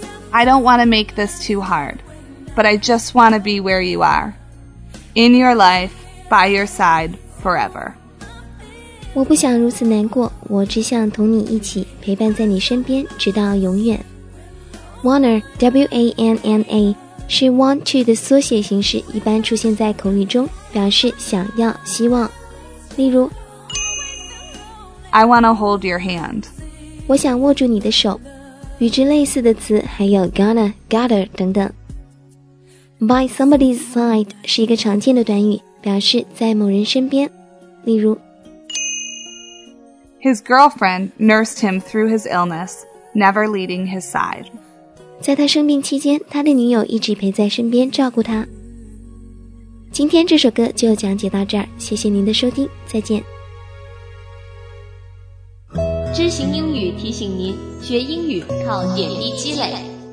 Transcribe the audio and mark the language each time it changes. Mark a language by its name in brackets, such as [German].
[English] I don't want to make this too hard, but I just want to be where you are. In your life, by your side, forever. [Chinese] 我不想如此难过，我只想同你一起，陪伴在你身边，直到永远。 Wanner, W-A-N-N-A, 是 want to 的缩写形式，一般出现在口语中，表示想要、希望。例如 [English] I want to hold your hand. [Chinese] 我想握住你的手。与之类似的词还有 gonna, gotta 等等。 [English] By somebody's side [Chinese] 是一个常见的短语，表示在某人身边。例如 [English] His girlfriend nursed him through his illness, never leaving his side. [Chinese] 在他生病期间，他的女友一直陪在身边照顾他。今天这首歌就讲解到这儿，谢谢您的收听，再见。知行英语提醒您，学英语靠点滴积累。